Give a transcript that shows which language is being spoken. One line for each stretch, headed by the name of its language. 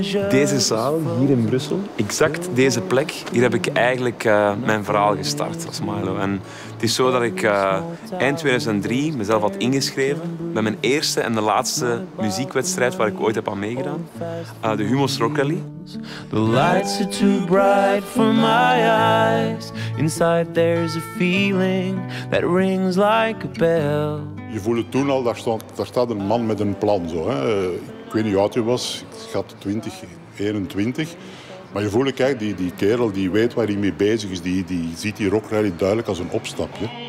Dutch: Deze zaal hier in Brussel, exact deze plek, hier heb ik eigenlijk mijn verhaal gestart als Milo. En het is zo dat ik eind 2003 mezelf had ingeschreven bij mijn eerste en de laatste muziekwedstrijd waar ik ooit heb aan meegedaan. De Humos Rock Rally.
English: The lights are too bright for my eyes. Inside there's a feeling that rings like a bell.
Dutch: Je voelde toen al, daar staat een man met een plan zo. Hè? Ik weet niet hoe oud je was, ik had 20, 21. Maar je voelde, kijk, die kerel die weet waar hij mee bezig is, die ziet die rockrally duidelijk als een opstapje.